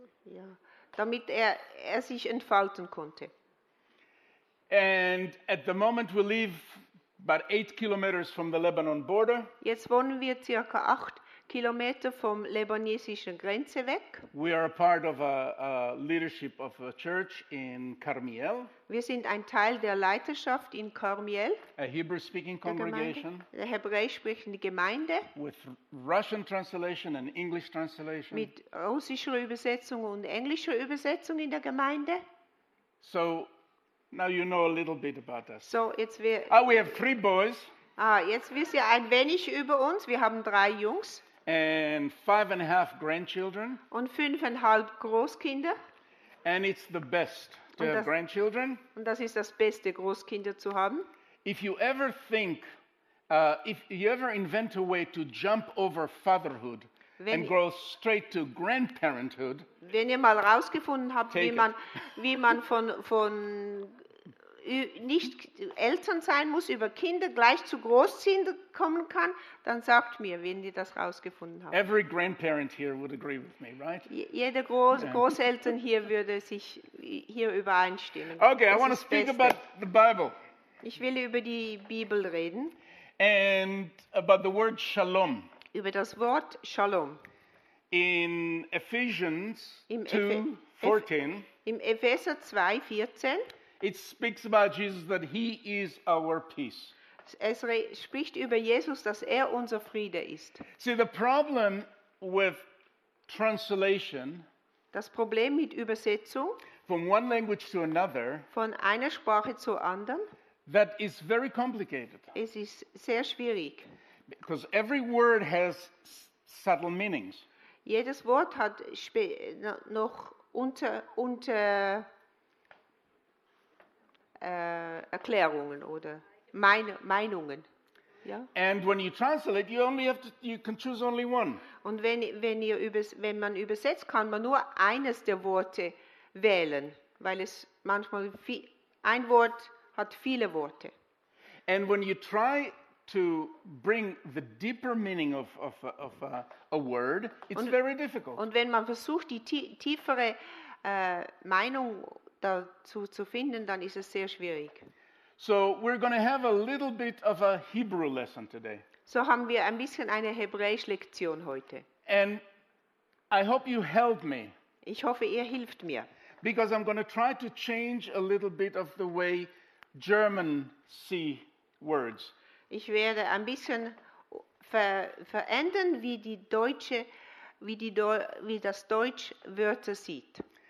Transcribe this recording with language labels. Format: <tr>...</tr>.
<de>Ja, damit er sich entfalten konnte.</de> <en>And at the moment we live about 8 kilometers from the Lebanon border.</en> <de>Jetzt wohnen wir circa 8 Kilometer vom libanesischen Grenze weg.</de> <en>We are a part of a leadership of a church in Carmiel.</en> <de>Wir sind ein Teil der Leiterschaft in Carmiel.</de> <en>A Hebrew-speaking congregation.</en> <de>Der hebräisch-sprechende Gemeinde.</de> <en>With Russian translation and English translation.</en> <de>Mit russischer Übersetzung und englischer Übersetzung in der Gemeinde.</de> <en>So, now you know a little bit about us.</en> <de>So, jetzt wir.</de> <en>Oh, we have 3 boys.</en> <de>Ah, jetzt wisst ihr ein wenig über uns. Wir haben 3 Jungs.</de> <en>And 5.5 grandchildren.</en> <de>Und 5.5 Großkinder.</de> <en>And it's the best to have grandchildren.</en> <de>Und das ist das Beste, Großkinder zu haben.</de> <en>If you ever think, if you ever invent a way to jump over fatherhood and grow straight to grandparenthood,</en> <de>wenn ihr mal rausgefunden habt, wie man von nicht Eltern sein muss, über Kinder gleich zu Großkinder kommen kann, dann sagt mir, wenn ihr das rausgefunden habt.</de> <en>Every grandparent here would agree with me, right?</en> <de>Jede Großeltern hier würde sich hier übereinstimmen.</de> <en>Okay, das I want to speak Beste. About the Bible.</en> <de>Ich will über die Bibel reden.</de> <en>And about the word Shalom.</en> <de>Über das Wort Shalom.</de> <en>In Ephesians 2:14.</en> <de>Im Epheser 2:14.</de> <en>It speaks about Jesus that he is our peace.</en> <de>Es spricht über Jesus, dass unser Friede ist.</de> <en>See, the problem with translation,</en> <de>das Problem mit Übersetzung,</de> <en>from one language to another,</en> <de>von einer Sprache zur anderen,</de> <en>that is very complicated.</en> <de>Es ist sehr schwierig.</de> <en>Because every word has subtle meanings.</en> <de>Jedes Wort hat noch unter Erklärungen oder Meinungen. Ja?</de> <en>And when you translate, you can choose only one.</en> <de>Und wenn man übersetzt, kann man nur eines der Worte wählen, weil es manchmal ein Wort hat viele Worte.</de> <en>And when you try to bring the deeper meaning of a word, it's very difficult.</en> <de>Und wenn man versucht, die tiefere Meinung dazu zu finden, dann ist es sehr schwierig.</de> <en>So, we're going to have a little bit of a Hebrew lesson today.</en> <de>So haben wir ein bisschen eine hebräische Lektion heute.</de> <en>And I hope you help me.</en> <de>Ich hoffe, ihr hilft mir.</de> <en>Because I'm going to try to change a little bit of the way German see words.</en> <de>Ich werde ein bisschen verändern, wie das Deutsch Wörter sieht.</de>